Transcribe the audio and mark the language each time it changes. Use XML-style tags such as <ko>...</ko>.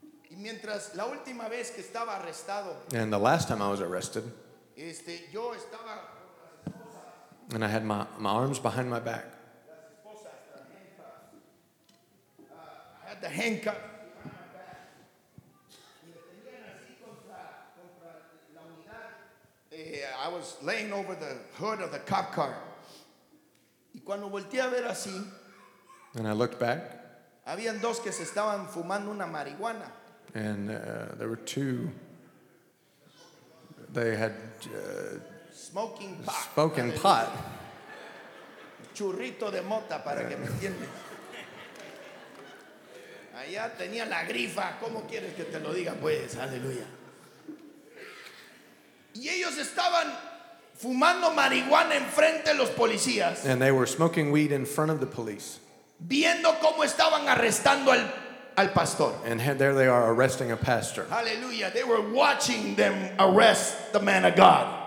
<es>Y mientras la última vez que estaba arrestado,</es> <en>and the last time I was arrested,</en> <es>yo estaba.</es> <en>And I had my arms behind my back. I had the handcuff. I was laying over the hood of the cop car.</en> <es>Y cuando volteé a ver así,</es> <en>and I looked back.</en> <es>Habían dos que se estaban fumando una marihuana.</es> <en>And there were two they had smoking pot. Smoking pot.</en> <es>Churrito de mota para que me entiendas. Allá tenía la grifa. ¿Cómo quieres que te lo diga, pues? Aleluya. Y ellos estaban fumando marihuana enfrente de los policías.</es> <en>And they were smoking weed in front of the police.</en> <es>Viendo cómo estaban arrestando al pastor.</es> <en>And there they are arresting a pastor. Hallelujah. They were watching them arrest the man of God.</en>